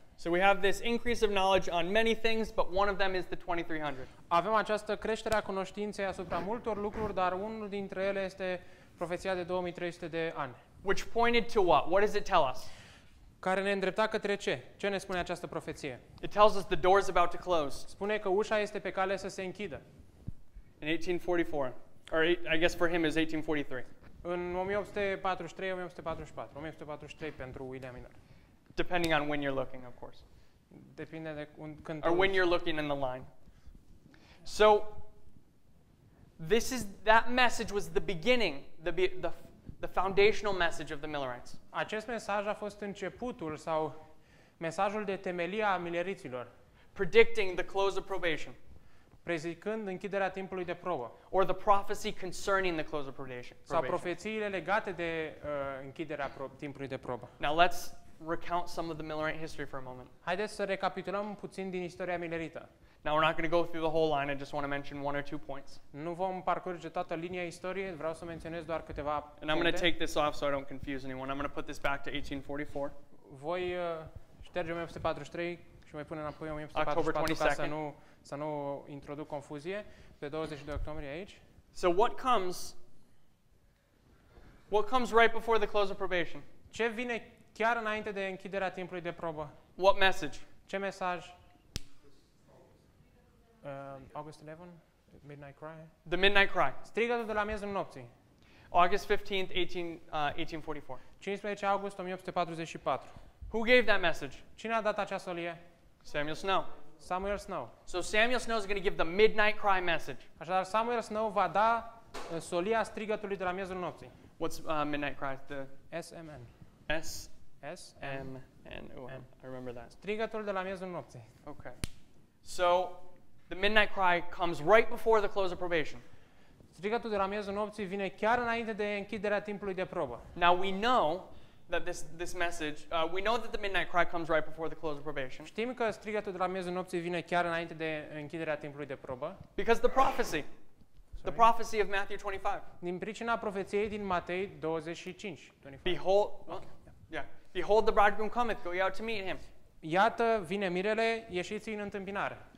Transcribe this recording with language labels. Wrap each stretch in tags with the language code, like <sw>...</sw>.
<en>So we have this increase of knowledge on many things, but one of them is the 2300.</en> <ro>Avem această creștere a cunoștinței asupra multor lucruri, dar unul dintre ele este profeția de 2300 de ani.</ro> <en>Which pointed to what? What does it tell us?</en> <ro>Care ne îndrepta către ce? Ce ne spune această profeție?</ro> <en>It tells us the door is about to close.</en> <ro>Spune că ușa este pe cale să se închidă.</ro> <en>In 1844. Or I guess for him is 1843.</en> <ro>În 1843, 1844, 1843 pentru William Miller.</ro> <en>Depending on when you're looking, of course.</en> <ro>Depinde de când.</ro> <en>Or when you're looking in the line. So that message was the beginning, the foundational message of the Millerites.</en> <ro>Acest mesaj a fost începutul sau mesajul de temelie a Milleriților.</ro> <en>Predicting the close of probation.</en> <ro>Prezicând închiderea timpului de probă.</ro> <en>Or the prophecy concerning the close of probation.</en> <ro>Sau profețiile legate de închiderea timpului de probă.</ro> <en>Now let's recount some of the Millerite history for a moment.</en> <ro>Haideți să recapitulăm puțin din istoria Millerită.</ro> <en>Now we're not going to go through the whole line, I just want to mention one or two points.</en> <ro>Nu vom parcurge toată linia istoriei, vreau să menționez doar câteva puncte.</ro> <en>And I'm going to take this off so I don't confuse anyone. I'm going to put this back to 1844.</en> <ro>Voi șterge 1843 și mai pune înapoi 1844 ca să nu introduc confuzie pe 22 octombrie aici.</ro> <en>So what comes right before the close of probation?</en> <ro>Ce vine chiar înainte de închiderea timpului de probă?</ro> <en>What message?</en> <ro>Ce mesaj?</ro> <en>August 11, midnight cry. The midnight cry.</en> <ro>Strigătul de la miezul nopții.</ro> <en>August 15th, 1844.</en> <ro>15 august 1844.</ro> <en>Who gave that message?</en> <ro>Cine a dat acea solie?</ro> <en>Samuel Snow.</en> <ro>Samuel Snow.</ro> <en>So Samuel Snow is going to give the midnight cry message.</en> <ro>Așadar, Samuel Snow va da solia strigătului de la miezul nopții.</ro> <en>What's midnight cry? The SMN. S-M-N. I remember that.</en> <ro>Strigătul de la miezul nopții.</ro> <en>Okay. So the midnight cry comes right before the close of probation.</en> <ro>Strigătul de la miezul nopții vine chiar înainte de închiderea timpului de probă.</ro> <en>Now we know that this message, we know that the midnight cry comes right before the close of probation.</en> <ro>Știm că strigătul de la miezul nopții vine chiar înainte de închiderea timpului de probă.</ro> <en>Because the prophecy. The prophecy of Matthew 25.</en> <ro>Din pricina profeției din Matei 25.</ro> <en>Behold, behold the bridegroom cometh, go ye out to meet him.</en> <ro>Iată vine mirele, ieșiți în întâmpinare.</ro>